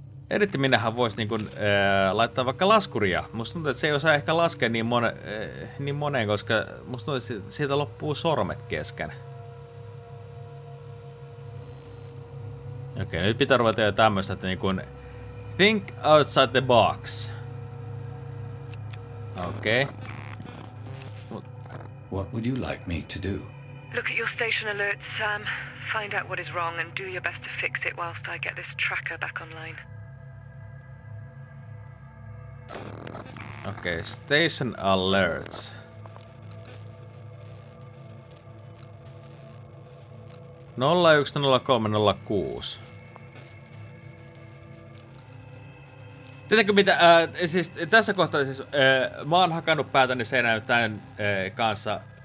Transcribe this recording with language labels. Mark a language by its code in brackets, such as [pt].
[fi] Editti minähän voisi niinku, laittaa vaikka laskuria. Musta tuntuu, että se ei osaa ehkä laskea niin moneen, koska musta tuntuu, että siitä loppuu sormet kesken. Okei, nyt pitää ruveta jo tämmöstä, että niinku, [en] think outside the box. [fi] Okei. [en] Okay. What would you like me to do? Look at your station alerts, Sam. Find out what is wrong and do your best to fix it whilst I get this tracker back online. Okei, okay, station alerts. [fi] Nolla yksi, nolla kolme, nolla kuusi. Tietenkö mitä, siis tässä kohtaa siis mä oon hakannut päätäni seinään tämän kanssa.